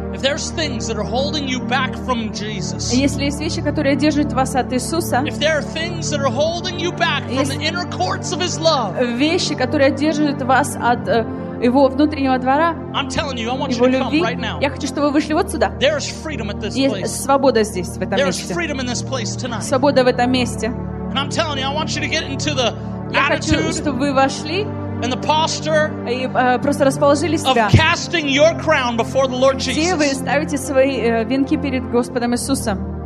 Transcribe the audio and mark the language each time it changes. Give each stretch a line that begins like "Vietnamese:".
English: If there's things that are holding you back from Jesus,
Russian: если есть вещи, которые держат вас от Иисуса,
English: if there are things that are holding you back from the inner courts of His love,
Russian: вещи, которые держат вас от Его внутреннего двора, Его любви. Я хочу, чтобы вы вышли вот сюда. Есть свобода здесь, в этом месте. Свобода в этом месте. Я хочу, чтобы вы вошли и просто расположили себя, где вы ставите свои венки перед Господом Иисусом.